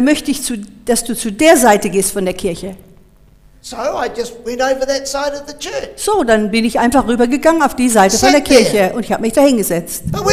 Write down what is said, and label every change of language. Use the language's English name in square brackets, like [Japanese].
[German] möchte ich, dass du zu der Seite gehst von der Kirche. [English] So, I just went over that side of the church. [German] So, dann bin ich einfach rübergegangen auf die Seite von der Kirche [English] there. [German] Und ich habe mich da hingesetzt.